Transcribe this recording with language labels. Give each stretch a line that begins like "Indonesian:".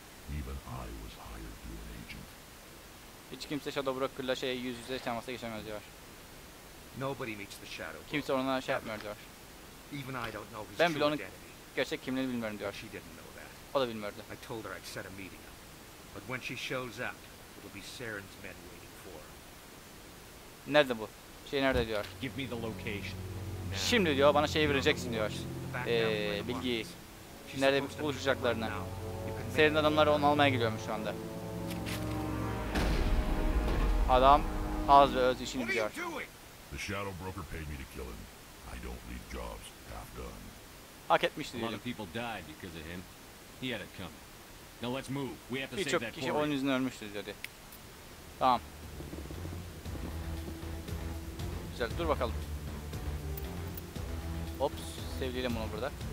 English: Even I was hired through an agent.
Turkish: Hiç kimse Shadow Broker'la şey yüz yüze temasa geçemez diyor.
English: Nobody meets the Shadow.
Turkish: Kimse onunla şey yapmıyor diyor.
English: Even I don't know.
Turkish: Ben bile onun gerçek kimliğini bilmiyorum diyor. O da bilmiyordu.
English: I told her I'd set a meeting up. But when she shows up, it'll be Saren's men waiting for her.
Turkish: Nerede bu? Şey nerede diyor.
English: Give me the location.
Turkish: Şimdi diyor, bana şeyi vereceksin diyor. Bilgiyi. Nerede buluşacaklarını. Saren'in adamları onu almaya geliyormuş şu anda. Adam az ve öz işini biliyor.
English: The Shadow Broker paid me to kill him. I don't leave jobs half done.
Turkish: Hak etmişti diyelim.
English: A lot of people died because of him. He had it coming. Now let's move. We have to save that boy.
Turkish: Birçok kişi onun yüzünden ölmüştü dedi. Tamam. Güzel, dur bakalım. Ops, sevdiyelim onu burada.